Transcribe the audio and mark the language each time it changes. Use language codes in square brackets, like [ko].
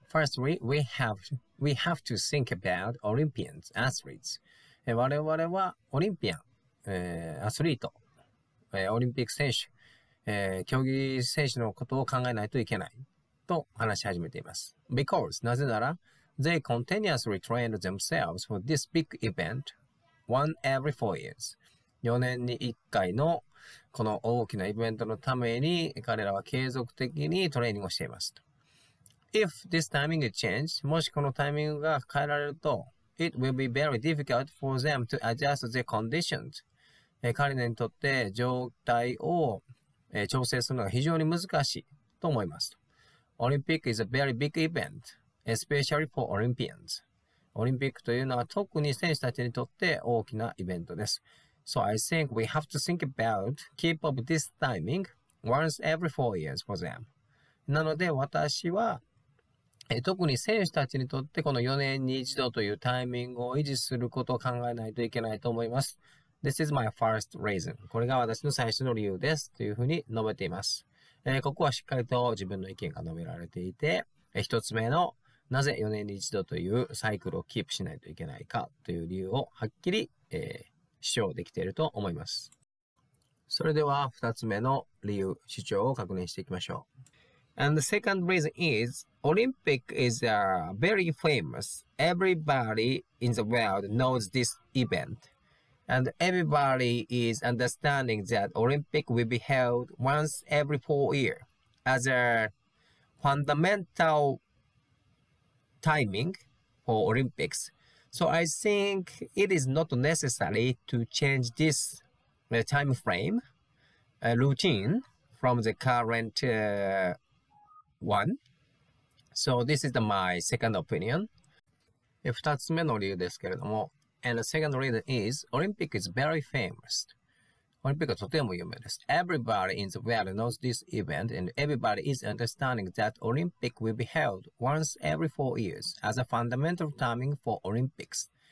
[en] Firstly, we have to think about Olympians, athletes. [ja] 我々はオリンピアン、アスリート、オリンピック選手、競技選手のことを考えないといけないと話し始めています。 [en] Because, [ja] なぜなら、 [en] they continuously train themselves for this big event one every 4 years. [ja] 4年に1回のこの大きなイベントのために彼らは継続的にトレーニングをしていますと。 [en] If this timing is changed, [ja] もしこのタイミングが変えられると、 [en] it will be very difficult for them to adjust their conditions. [ja] 彼らにとって状態を調整するのが非常に難しいと思いますと。 [en] Olympic is a very big event, especially for Olympians. [ja] オリンピックというのは特に選手たちにとって大きなイベントです。 [en] So I think we have to think about keep up this timing once every 4 years for them. [ja] なので私は特に選手たちにとってこの4年に一度というタイミングを維持することを考えないといけないと思います。 [en] This is my first reason. [ja] これが私の最初の理由ですというふうに述べています。ここはしっかりと自分の意見が述べられていて、一つ目のなぜ4年に一度というサイクルをキープしないといけないかという理由をはっきり、主張できていると思います。それでは2つ目の理由、主張を確認していきましょう。 [en] And the second reason is Olympic is very famous. Everybody in the world knows this event. And everybody is understanding that Olympic will be held once every 4 years as a fundamental timing for Olympics. So I think it is not necessary to change this time frame routine from the current one. So this is my second opinion. [ja] 2つ目の理由ですけれども、 [en] And the second reason is Olympic is very famous. [ja] Olympic はとても有名です。 [en] Everybody in the world knows this event and everybody is understanding that Olympic will be held once every 4 years as a fundamental timing for Olympics.